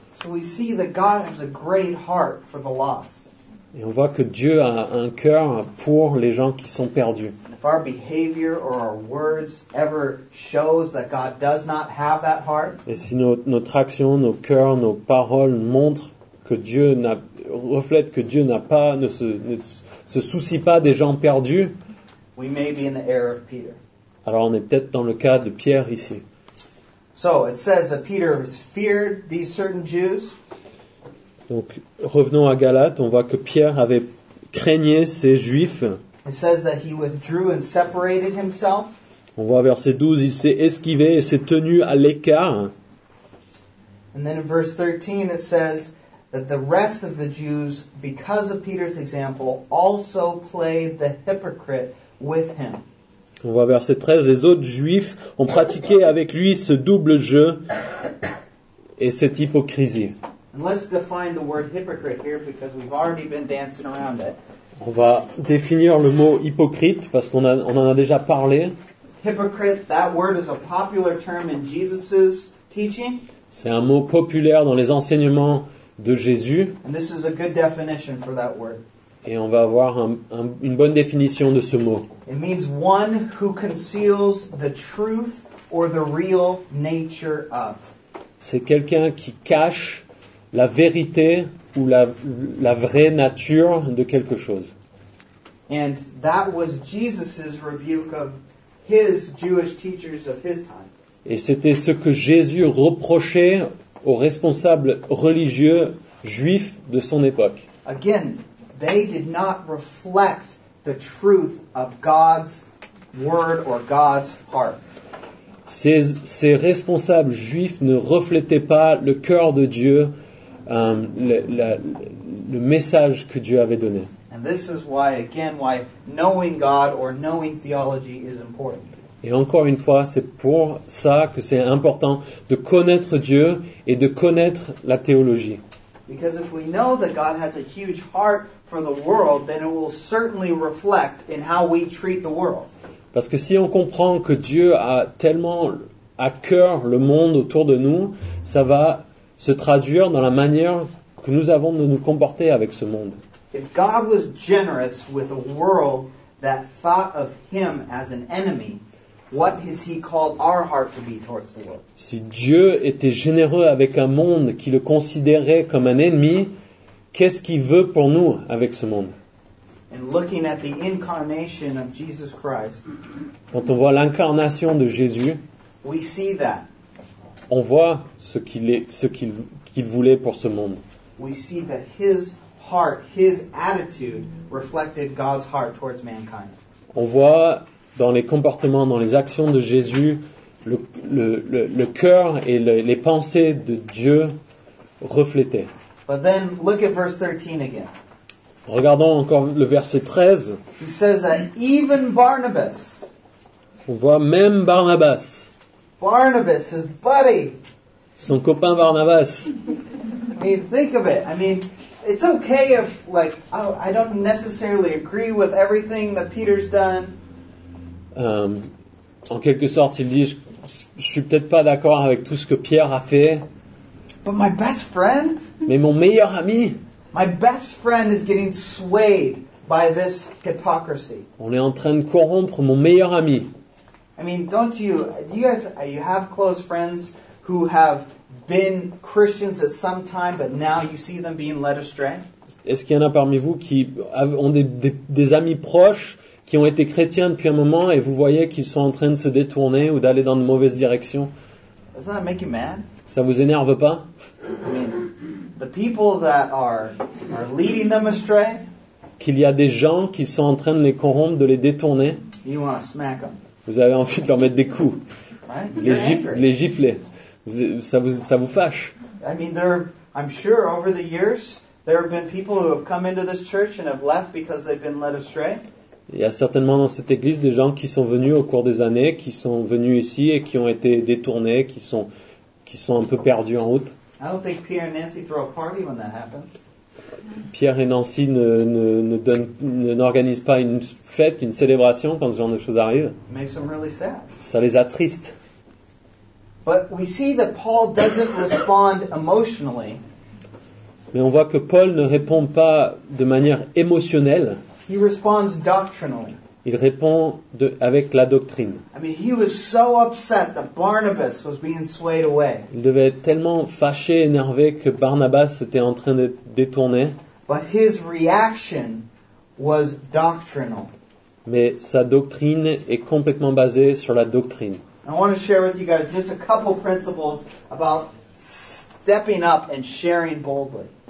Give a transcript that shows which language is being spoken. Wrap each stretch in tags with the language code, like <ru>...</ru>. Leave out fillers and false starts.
<en>So we see that God has a great heart for the lost.</en> <fr>Et on voit que Dieu a un cœur pour les gens qui sont perdus.</fr> <en>If our behavior or our words ever shows that God does not have that heart.</en> <fr>Et si notre action, nos cœurs, nos paroles montrent que Dieu n'a reflète que Dieu n'a pas ne se soucie pas des gens perdus.</fr> <en>We may be in the error of Peter.</en> <fr>Alors on est peut-être dans le cas de Pierre ici.</fr> <en>So it says that Peter feared these certain Jews.</en> <fr>Donc, revenons à Galates, on voit que Pierre avait craigné ces Juifs.</fr> <en>It says that he withdrew and separated himself.</en> <fr>On voit verset 12, il s'est esquivé et s'est tenu à l'écart.</fr> <en>And then in verse 13, it says that the rest of the Jews, because of Peter's example, also played the hypocrite with him.</en> <fr>On voit verset 13, les autres Juifs ont pratiqué avec lui ce double jeu et cette hypocrisie.</fr> <en>And let's define the word hypocrite here because we've already been dancing around it.</en> <fr>On va définir le mot hypocrite parce qu'on en a déjà parlé.</fr> <en>Hypocrite, that word is a popular term in Jesus's teaching.</en> <fr>C'est un mot populaire dans les enseignements de Jésus.</fr> <en>And this is a good definition for that word.</en> <fr>Et on va avoir une bonne définition de ce mot.</fr> <en>It means one who conceals the truth or the real nature of.</en> <fr>C'est quelqu'un qui cache la vérité ou la vraie nature de quelque chose.</fr> <en>And that was Jesus's rebuke of his Jewish teachers of his time.</en> <fr>Et c'était ce que Jésus reprochait aux responsables religieux juifs de son époque.</fr> <en>Again, they did not reflect the truth of God's word or God's heart.</en> <fr>Ces responsables juifs ne reflétaient pas le cœur de Dieu, le message que Dieu avait donné.</fr> <en>And this is why, again, why knowing God or knowing theology is important.</en> <fr>Et encore une fois, c'est pour ça que c'est important de connaître Dieu et de connaître la théologie.</fr> <en>Because if we know that God has a huge heart for the world, then it will certainly reflect in how we treat the world.</en> <fr>Parce que si on comprend que Dieu a tellement à cœur le monde autour de nous, ça va se traduire dans la manière que nous avons de nous comporter avec ce monde.</fr> <en>If God was generous with a world that thought of him as an enemy, what has he called our heart to be towards the world?</en> <fr>Si Dieu était généreux avec un monde qui le considérait comme un ennemi, qu'est-ce qu'il veut pour nous avec ce monde?</fr> <en>And looking at the incarnation of Jesus Christ,</en> <fr>quand on voit l'incarnation de Jésus,</fr> <en>we see that.</en> <fr>On voit ce qu'il est, ce qu'il voulait pour ce monde.</fr> <en>We see that his heart, his attitude reflected God's heart towards mankind.</en> <fr>On voit dans les comportements, dans les actions de Jésus, le cœur et les pensées de Dieu reflétaient.</fr> <en>But then look at verse 13 again.</en> <fr>Regardons encore le verset 13.</fr> <en>He says that even Barnabas,</en> <fr>on voit même Barnabas.</fr> <en>Barnabas, his buddy.</en> <fr>Son copain Barnabas.</fr> <en>I mean, think of it. I mean, it's okay if, like, I don't necessarily agree with everything that Peter's done.</en> <fr>En quelque sorte, il dit, je suis peut-être pas d'accord avec tout ce que Pierre a fait.</fr> <en>But my best friend.</en> <fr>Mais mon meilleur ami.</fr> <en>My best friend is getting swayed by this hypocrisy.</en> <fr>On est en train de corrompre mon meilleur ami.</fr> <en>I mean, don't you? You have close friends who have been Christians at some time, but now you see them being led astray.</en> <fr>Est-ce qu'il y en a parmi vous qui ont des amis proches qui ont été chrétiens depuis un moment et vous voyez qu'ils sont en train de se détourner ou d'aller dans de mauvaises directions?</fr> <en>Doesn't that make you mad?</en> <fr>Ça vous énerve pas?</fr> <en>I mean, the people that are leading them astray.</en> <fr>Qu'il y a des gens qui sont en train de les corrompre, de les détourner.</fr> <en>You want to smack them.</en> <fr>Vous avez envie de leur mettre des coups.</fr> <en>Right?</en> <fr>Les gifler. Ça vous fâche.</fr> <en>I mean, I'm sure over the years, there have been people who have come into this church and have left because they've been led astray.</en> <fr>Il y a certainement dans cette église des gens qui sont venus au cours des années, qui sont venus ici et qui ont été détournés, qui sont un peu perdus en route.</fr> <en>I don't think Pierre and Nancy throw a party when that happens.</en> <fr>Pierre et Nancy n'organisent pas une fête, une célébration quand ce genre de choses arrive.</fr> <en>Makes them really sad.</en> <fr>Ça les attriste.</fr> <en>But we see that Paul doesn't respond emotionally.</en> <fr>Mais on voit que Paul ne répond pas de manière émotionnelle.</fr> <en>He responds doctrinally.</en> <fr>Il répond avec la doctrine.</fr> <en>I mean, he was so upset that Barnabas was being swayed away.</en> <fr>Il devait être tellement fâché, énervé que Barnabas était en train de détourner.</fr> <en>But his reaction was doctrinal.</en> <fr>Mais sa doctrine est complètement basée sur la doctrine.</fr> <en>I want to share with you guys just a couple principles about stepping up and sharing boldly.</en>